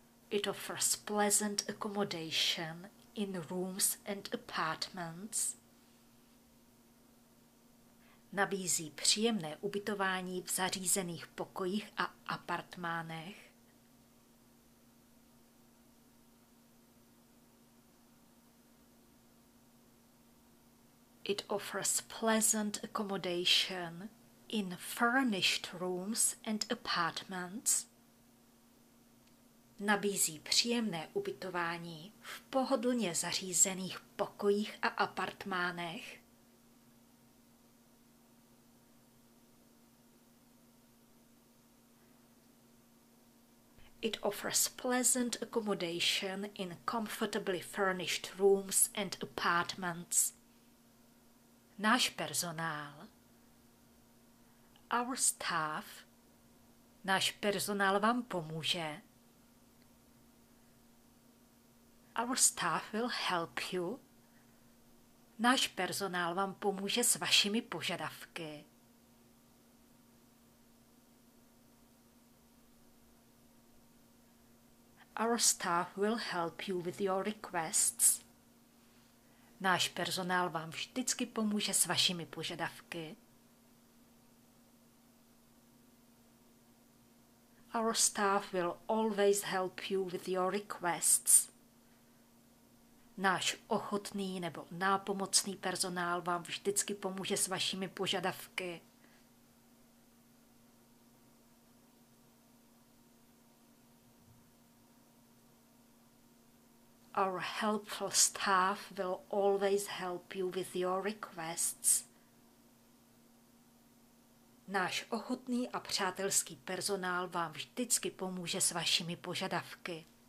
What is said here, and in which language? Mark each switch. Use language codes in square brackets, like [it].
[en] It offers pleasant accommodation in rooms and apartments. [cs] Nabízí příjemné ubytování v zařízených pokojích a apartmánech. [en] It offers pleasant accommodation in furnished rooms and apartments. [cs] Nabízí příjemné ubytování v pohodlně zařízených pokojích a apartmánech. [en] It offers pleasant accommodation in comfortably furnished rooms and apartments. [cs] Náš personál. [en] Our staff. [cs] Náš personál vám pomůže. [en] Our staff will help you. [cs] Náš personál vám pomůže s vašimi požadavky. [en] Our staff will help you with your requests. [cs] Náš personál vám vždycky pomůže s vašimi požadavky. [en] Our staff will always help you with your requests. [cs] Náš ochotný nebo nápomocný personál vám vždycky pomůže s vašimi požadavky. [en] Our helpful staff will always help you with your requests. [cs] Náš ochotný a přátelský personál vám vždycky pomůže s vašimi požadavky.